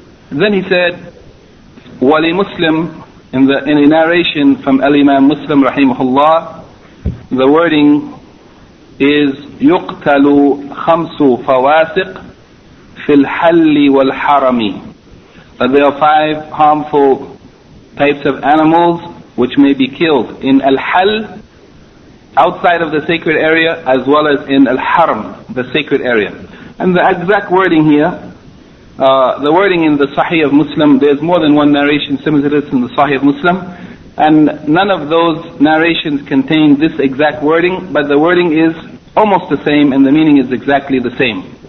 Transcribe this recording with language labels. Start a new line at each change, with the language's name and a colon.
English: Then he said, Wali Muslim, in a narration from Al-Imam Muslim, rahimahullah, the wording is
Arabic: يُقْتَلُ خَمْسُ فَوَاسِقْ فِي الْحَلِّ وَالْحَرَمِ.
English: That there are five harmful types of animals which may be killed in al-hal, outside of the sacred area, as well as in al-haram, the sacred area. And the exact wording here, the wording in the Sahih of Muslim, there's more than one narration similar to this in the Sahih of Muslim, and none of those narrations contain this exact wording, but the wording is almost the same and the meaning is exactly the same.